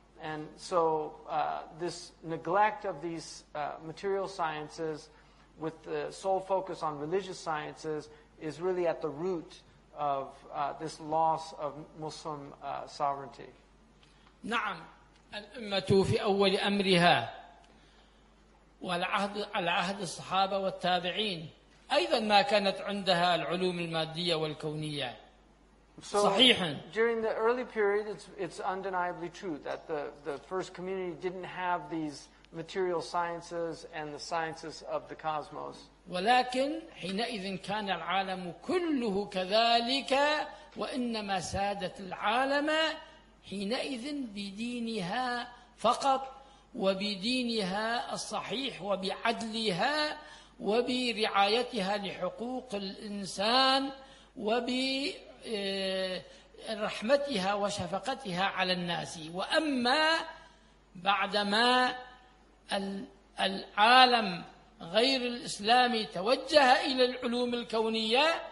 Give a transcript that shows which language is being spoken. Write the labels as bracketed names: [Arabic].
[English] And so this neglect of these material sciences with the sole focus on religious sciences is really at the root of this loss of Muslim sovereignty. [Arabic] نعم الأمة في أول أمرها والعهد على عهد الصحابة والتابعين أيضا ما كانت عندها العلوم المادية والكونية صحيحا. [English] During the early period, it's undeniably true that the first community didn't have these material sciences and the sciences of the cosmos. [Arabic] ولكن حينئذ كان العالم كله كذلك وإنما سادت العالم حينئذ بدينها فقط وبدينها الصحيح وبعدلها وبرعايتها لحقوق الإنسان وبرحمتها وشفقتها على الناس وأما بعدما العالم غير الإسلامي توجه إلى العلوم الكونية